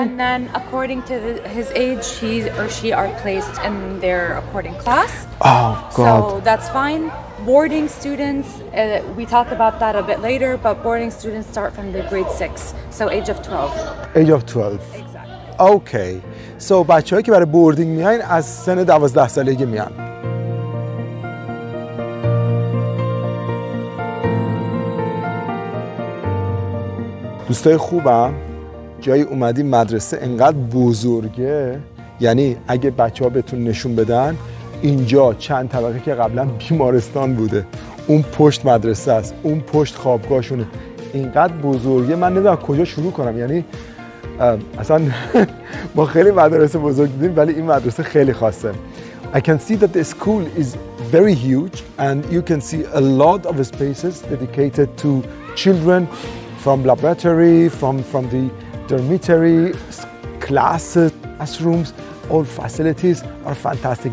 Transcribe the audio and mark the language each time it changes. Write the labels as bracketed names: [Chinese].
[English] And then according to his age, he or she are placed in their according class. Oh, God. So that's fine. Boarding students, we talk about that a bit later, but boarding students start from the grade 6, so age of 12. Age of 12. Exactly. Okay. So [Persian] بچه‌هایی که برای boarding میان از سن 12 سالگی میان. دوستای خوبم جایی اومدی مدرسه انقدر بزرگه یعنی اگه بچه‌ها بهتون نشون بدن اینجا چند طبقه که قبلا بیمارستان بوده اون پشت مدرسه است اون پشت خوابگاهشونه اینقدر بزرگه من نمیدونم کجا شروع کنم یعنی اصلا ما خیلی مدرسه بزرگ دیدیم ولی این مدرسه خیلی خاصه. [English] I can see that the school is very huge and you can see a lot of spaces dedicated to children from laboratory, from the dormitory, classrooms, all facilities are fantastic.